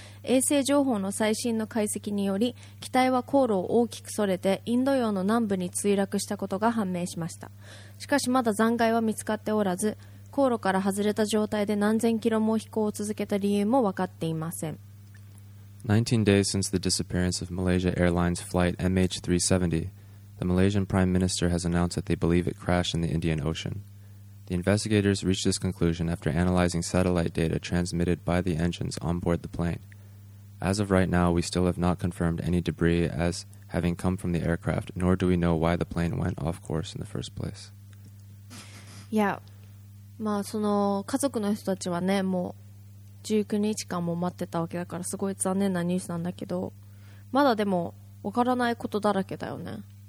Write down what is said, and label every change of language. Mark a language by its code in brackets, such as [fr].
[ja] 衛星情報の最新の解析により、機体は航路を大きくそれてインド洋の南部に墜落したことが判明しました。しかしまだ残骸は見つかっておらず、航路から外れた状態で何千キロも飛行を続けた理由も分かっていません。 [en] 19 days since the disappearance of Malaysia Airlines flight MH370, the Malaysian Prime Minister has announced that they believe it crashed in the Indian Ocean. The investigators reached this conclusion after analyzing satellite data transmitted by the engines on board the plane. As of right now, we still have not confirmed any debris as having come from the aircraft, nor do we know why the plane went off course in the first place. [ja] Yeah, まあその家族の人たちはね、もう19日間も待ってたわけだから、すごい残念なニュースなんだけど、まだでも分からないことだらけだよね。